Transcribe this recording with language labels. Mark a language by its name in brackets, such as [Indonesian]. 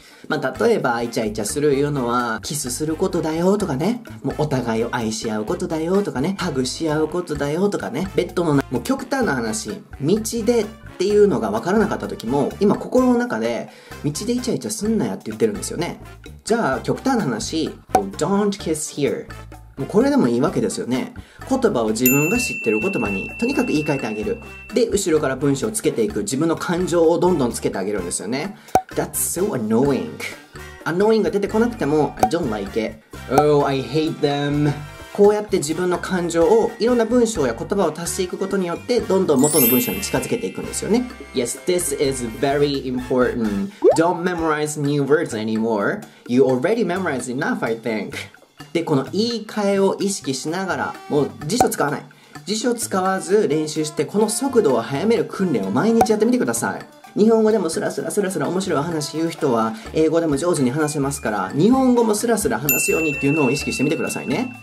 [Japanese] まあ、例えば、イチャイチャするいうのは、キスすることだよとかね、もうお互いを愛し合うことだよとかね、ハグし合うことだよとかね、ベッドのな、もう極端な話、道でっていうのがわからなかった時も、今心の中で、道でイチャイチャすんなやって言ってるんですよね。じゃあ、極端な話、 [English] Don't kiss here. [Japanese] もうこれでもいいわけですよね。言葉を自分が知ってる言葉にとにかく言い換えてあげる。で、後ろから文章をつけていく。自分の感情をどんどんつけてあげるんですよね。 [English] That's so annoying. Annoying [Japanese] が出てこなくても [English] I don't like it. Oh, I hate them. [Japanese] こうやって自分の感情をいろんな文章や言葉を足していくことによってどんどん元の文章に近づけていくんですよね。 [English] Yes, this is very important. Don't memorize new words anymore. You already memorized enough, I think. [Japanese] で、この言い換えを意識しながら、もう辞書使わない。辞書使わず練習して、この速度を早める訓練を毎日やってみてください。日本語でもスラスラスラスラ面白い話言う人は、英語でも上手に話せますから、日本語もスラスラ話すようにっていうのを意識してみてくださいね。